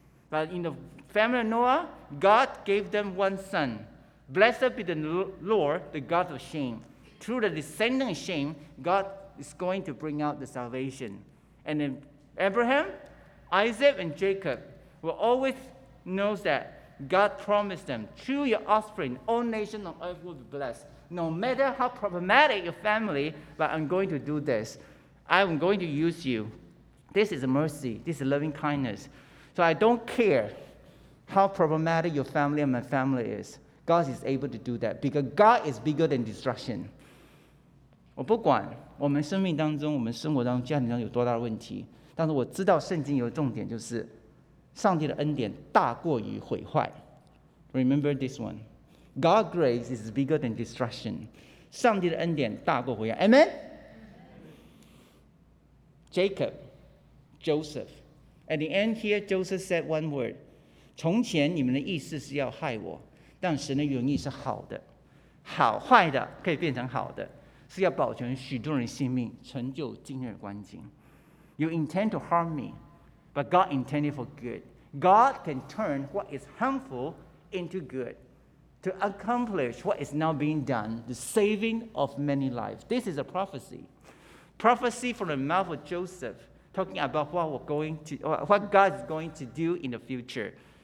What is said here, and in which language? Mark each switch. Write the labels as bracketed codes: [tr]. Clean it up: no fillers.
[en] But in the family of Noah, God gave them one son. Blessed be the Lord, the God of Shem. Through the descendant of Shem, God is going to bring out the salvation. And then Abraham, Isaac, and Jacob will always know that God promised them, through your offspring, all nations on earth will be blessed. No matter how problematic your family, but I'm going to do this. I'm going to use you. This is mercy. This is loving kindness. So I don't care how problematic your family and my family is. God is able to do that because God is bigger than destruction. [zh] 我不管我们生命当中、我们生活当中、家庭当中有多大的问题，但是我知道圣经有重点，就是上帝的恩典大过于毁坏。 [en] Remember this one. God's grace is bigger than destruction. [zh] 上帝的恩典大过毁坏。Amen. [en] Jacob. Joseph. At the end here, Joseph said one word. [zh] 从前你们的意思是要害我, 但神的原意是好的，好坏的可以变成好的，是要保全许多人性命，成就今日光景。 [en] You intend to harm me, but God intended for good. God can turn what is harmful into good to accomplish what is now being done, the saving of many lives. This is a prophecy. Prophecy from the mouth of Joseph, talking about what God is going to do in the future.